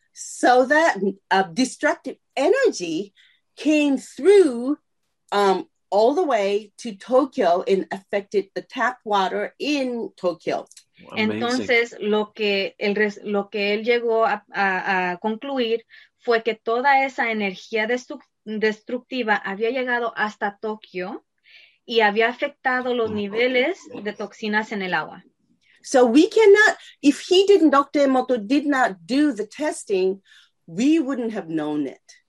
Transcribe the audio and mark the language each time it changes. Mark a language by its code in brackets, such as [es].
[en] So that destructive energy came through all the way to Tokyo and affected the tap water in Tokyo. Amazing. [es] Entonces, lo que él llegó a concluir fue que toda esa energía destructiva había llegado hasta Tokio y había afectado los niveles de toxinas en el agua. [en] So we cannot, if he didn't, Dr. Emoto did not do the testing, we wouldn't have known it.